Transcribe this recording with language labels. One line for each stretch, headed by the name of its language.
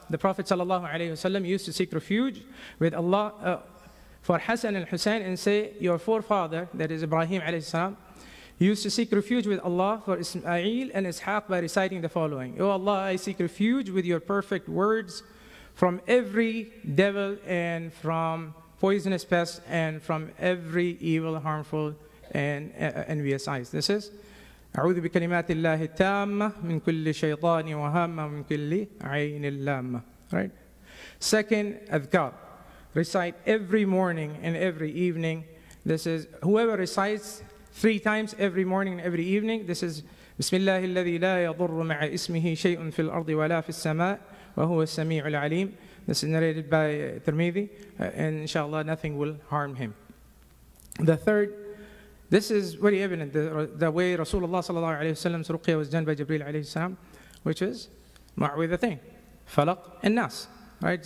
English: The Prophet sallallahu alayhi wasallam used to seek refuge with Allah for Hassan and Hussein and say, your forefather, that is Ibrahim alayhi salam, used to seek refuge with Allah for Ismail and Ishaq by reciting the following. O Allah, I seek refuge with your perfect words from every devil and from poisonous pests and from every evil, harmful, and envious eyes. This is,
Arabic: أعوذ بكلمات الله التامة من كل شيطان وهم من كل عين اللامة.
English: Right? Second, أذكار. Recite every morning and every evening. This is, whoever recites three times every morning and every evening. This is Bismillah
Arabic: الذي لا يضر مع اسمه شيء في الأرض ولا في السماء وهو السميع العليم.
English: This is narrated by Tirmidhi. And inshallah, nothing will harm him. The third, this is very evident, the way Rasulullah sallallahu alayhi wa sallam's ruqya was done by Jibreel alayhi salam, which is ma'awidhatayn, falaq and nas. Right?